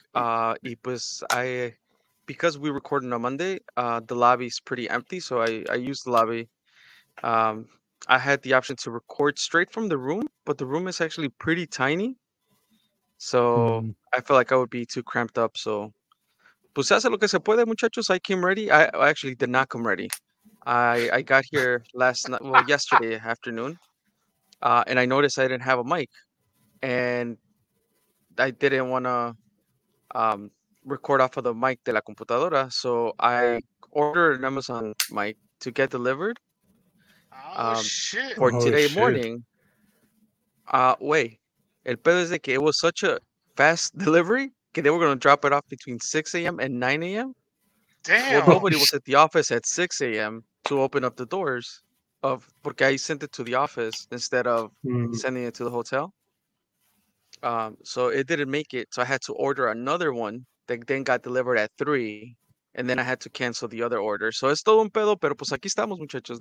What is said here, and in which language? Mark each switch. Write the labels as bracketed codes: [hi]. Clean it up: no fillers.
[en] Because we recorded on Monday, the lobby's pretty empty, so I used the lobby. I had the option to record straight from the room, but the room is actually pretty tiny. So I feel like I would be too cramped up. [es] So, pues se hace lo que se puede, muchachos. [en] I came ready. I actually did not come ready. I got here yesterday afternoon, and I noticed I didn't have a mic, and I didn't want to record off of the mic [es] de la computadora. [en] So I ordered an Amazon mic to get delivered morning. [es] El pedo es de que [en] it was such a fast delivery que they were going to drop it off between 6 a.m. and 9 a.m. Damn. Well, nobody was at the office at 6 a.m. to open up the doors of porque I sent it to the office instead of sending it to the hotel. So it didn't make it. So I had to order another one that then got delivered at 3. And then I had to cancel the other order. [es] So es todo un pedo, pero pues aquí estamos, muchachos.